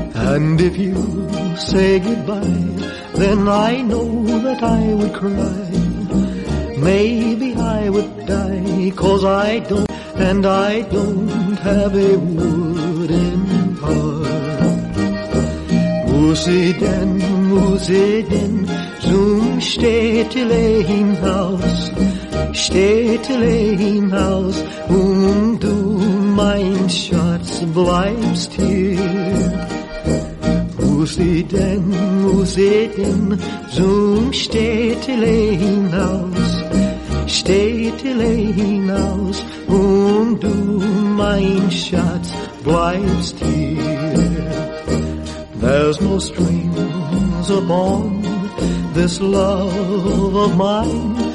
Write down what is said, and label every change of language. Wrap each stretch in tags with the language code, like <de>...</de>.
<en>And if you say goodbye, then I know that I would cry. Maybe I would die, cause I don't, and I don't have a wooden heart.</en> <de>Muss ich denn, zum Städtele hinaus, Städtele hinaus, und du, mein Schatz, bleibst hier. Muss ich denn, zum Städtele hinaus, Städtele hinaus, und du, mein Schatz, bleibst hier.</de> <en>There's no strings upon this love of mine.</en>